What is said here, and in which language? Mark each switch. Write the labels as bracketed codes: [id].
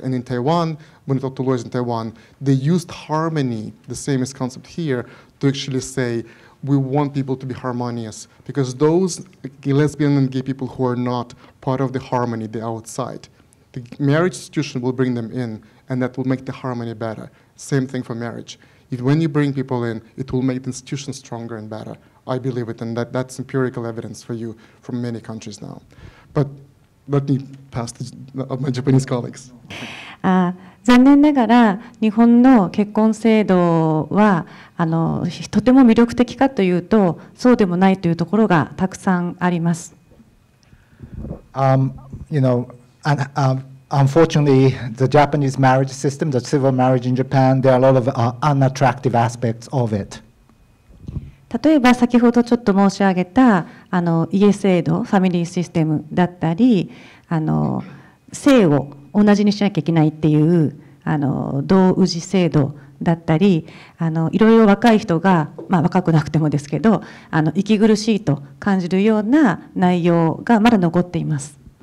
[en] And in Taiwan, when we talk to lawyers in Taiwan, they used harmony, the same as concept here, to actually say, we want people to be harmonious, because those lesbian and gay people who are not part of the harmony, the outside, the marriage institution will bring them in, and that will make the harmony better. Same thing for marriage. If when you bring people in, it will make the institution stronger and better. I believe it, and that's empirical evidence for you from many countries now. But let me pass this to my Japanese colleagues. [ja] 残念ながら日本の結婚制度はとても魅力的かというとそうでもないというところがたくさんあります。 [en] You know, and, unfortunately, the Japanese marriage system, the civil marriage in Japan, there are a lot of unattractive aspects of it. [ja] 例えば先ほどちょっと申し上げた家制度、ファミリーシステムだったり性を同じにしなきゃいけないっていう同氏制度だったりいろいろ若い人が、まあ、若くなくてもですけど息苦しいと感じるような内容がまだ残っています。